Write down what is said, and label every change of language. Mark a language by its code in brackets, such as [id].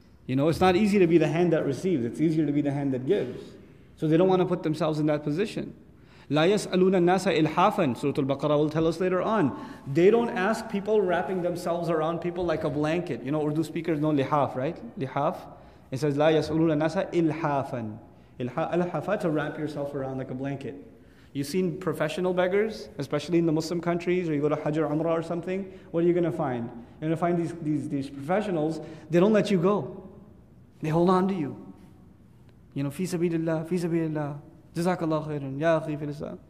[en] You know, it's not easy to be the hand that receives. It's easier to be the hand that gives. So they don't want to put themselves in that position. [ar] لَا يَسْأَلُونَ النَّاسَ إِلْحَافًا. [en] Surah Al-Baqarah will tell us later on. They don't ask people wrapping themselves around people like a blanket. You know, Urdu speakers know lihaf, right? Lihaf. It says, [ar] لَا يَسْأَلُونَ النَّاسَ إِلْحَافًا. [en] إِلْحَافًا, to wrap yourself around like a blanket. You've seen professional beggars, especially in the Muslim countries, or you go to Hajar Umrah or something, what are you going to find? You're going to find these professionals, they don't let you go. They hold on to you. You know, [ar] fi sabilillah, jazakallah khairan, ya akhi fil islam.